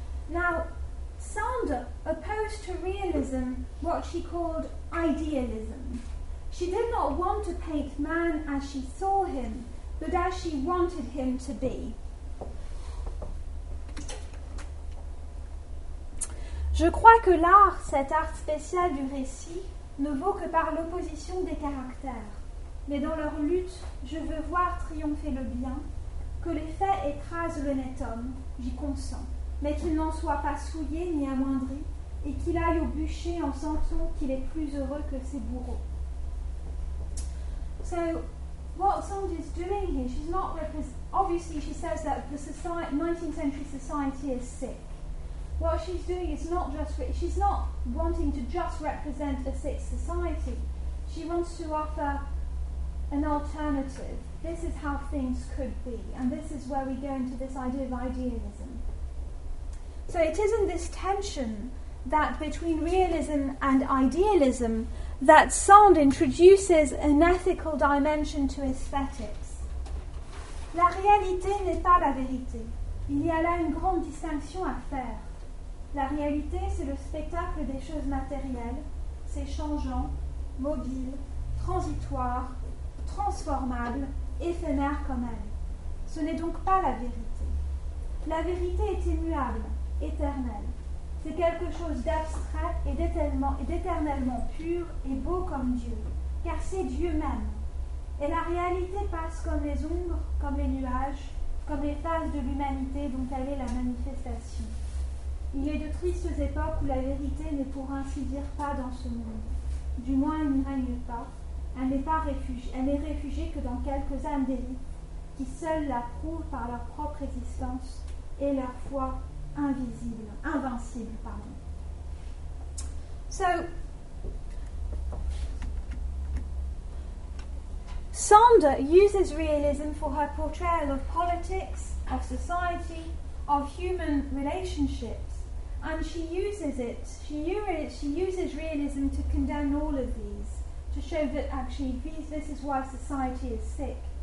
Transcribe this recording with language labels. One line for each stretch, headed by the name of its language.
English: Now, Sand opposed to realism what she called idealism. She did not want to paint man as she saw him, but as she wanted him to be.
French: Je crois que l'art, cet art spécial du récit, ne vaut que par l'opposition des caractères. Mais dans leur lutte, je veux voir triompher le bien, que les faits écrasent l'honnête homme, j'y consens. Mais qu'il n'en soit pas souillé ni amoindri, et qu'il aille au bûcher en sentant qu'il est plus heureux que ses bourreaux.
English: So, what Sand is doing here, she's not obviously she says that the 19th century society is sick. What she's doing is not just, she's not wanting to just represent a sick society. She wants to offer an alternative. This is how things could be, and this is where we go into this idea of idealism. So it is in this tension that between realism and idealism that Sand introduces an ethical dimension to aesthetics.
French: La réalité n'est pas la vérité. Il y a là une grande distinction à faire. La réalité, c'est le spectacle des choses matérielles. C'est changeant, mobile, transitoire, transformable, éphémère comme elle. Ce n'est donc pas la vérité. La vérité est immuable. Éternel. C'est quelque chose d'abstrait et d'éternellement pur et beau comme Dieu, car c'est Dieu même. Et la réalité passe comme les ombres, comme les nuages, comme les phases de l'humanité dont elle est la manifestation. Il est de tristes époques où la vérité n'est pour ainsi dire pas dans ce monde. Du moins, elle n'y règne pas. Elle n'est pas réfugiée. Elle n'est réfugiée que dans quelques âmes d'élite qui seules la prouvent par leur propre existence et leur foi invincible. Pardon.
English: So, Sander uses realism for her portrayal of politics, of society, of human relationships, and she uses realism to condemn all of these, to show that actually this is why society is sick.